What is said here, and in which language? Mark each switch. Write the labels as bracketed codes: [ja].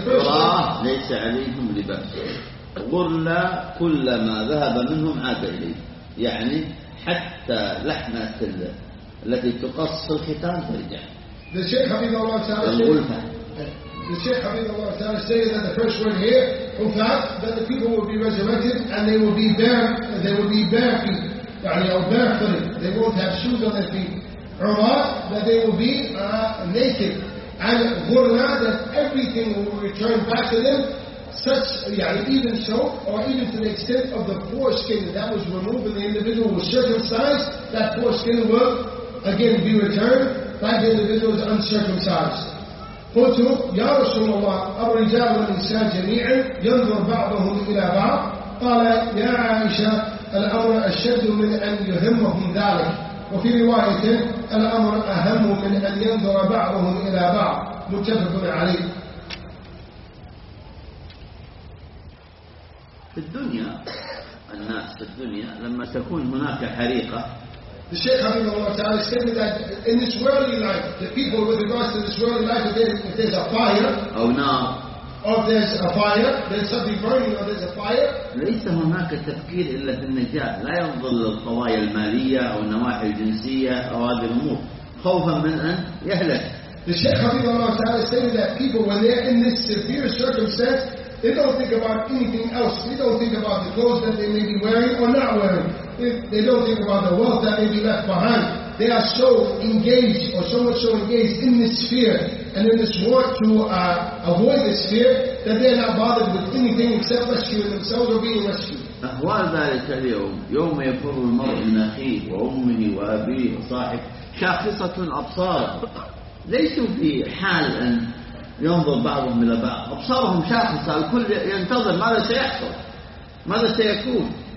[ar] عراة ليس عليهم لباس, غرلا كلما ذهب منهم عاد إليه, يعني حتى لحمة التي تقص في الختان ترجع. الشيخ حبيب الله تعالى [en] the Shaykh Habibullah Ta'ala saying that the first word here, hufat, that the people will be resurrected and they will be bare, they will be bare feet, [ar] يعني [en] أو barefooted, they won't have shoes on their feet. Urat, that they will be naked. And ghurna, that everything will return back to them, such, [ar] يعني [en] even so, or even to the extent of the foreskin that was removed and the individual was circumcised, that foreskin will again be returned by the individual's uncircumcised. [ar] قلت يا رسول الله الرجال والنساء جميعا ينظر بعضهم الى بعض. قال يا عائشه الامر اشد من ان يهمهم ذلك. وفي روايه الامر اهم من ان ينظر بعضهم الى بعض. متفق عليه. في الدنيا الناس في الدنيا لما تكون هناك حريقه, [en] the Shaykh Habib Allah Ta'ala stated that in this worldly life, the people with regards to this worldly life, if there's a fire, oh no, or if there's a fire, there's something burning, or there's a fire, [ar] ليس هناك تفكير إلا في النجاة, لا ينظر للقضايا المالية أو النواحي الجنسية أو هذه الأمور, خوفا من أن يهلك. [en] The Shaykh Habib Allah Ta'ala stated that people, when they're in this severe circumstance, they don't think about anything else. They don't think about the clothes that they may be wearing or not wearing. They don't think about the wealth that may be left behind. They are so engaged, or so much so engaged in this fear and in this work to avoid this fear, that they are not bothered with anything except rescuing themselves or being rescued. [ar] أهوال ذلك اليوم يوم يفر المرء من أخيه وأمه وأبيه وصاحبه شاخصة الأبصار, ليسوا في حال أن ينظر بعضهم إلى بعض, أبصارهم شاخصة, الكل ينتظر ماذا سيحصل, ماذا سيكون.